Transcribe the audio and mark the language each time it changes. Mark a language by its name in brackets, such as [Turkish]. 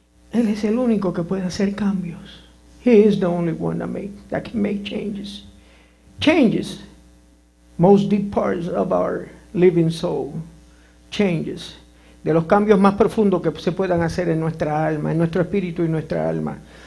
[Spanish] Él es el único que puede hacer cambios. [English] He is the only one that can make changes. Most deep parts of our living soul changes. [Spanish] De los cambios más profundos que se puedan hacer en nuestra alma, en nuestro espíritu y nuestra alma.